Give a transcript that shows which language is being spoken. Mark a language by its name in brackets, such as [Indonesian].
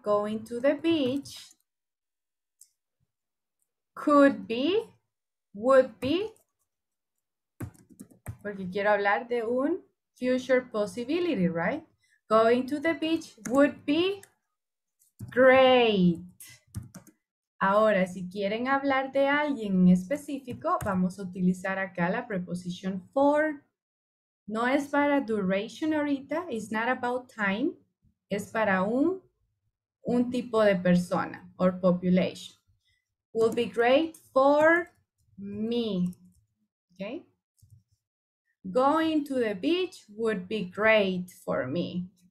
[English] Going to the beach could be, would be, porque quiero hablar de un future possibility, right? Going to the beach would be Great. [Spanish] Ahora, si quieren hablar de alguien en específico, vamos a utilizar acá la preposición for. No es para duration ahorita, it's not about time. Es para un tipo de persona or population. [English] Will be great for me. Okay. Going to the beach would be great for me.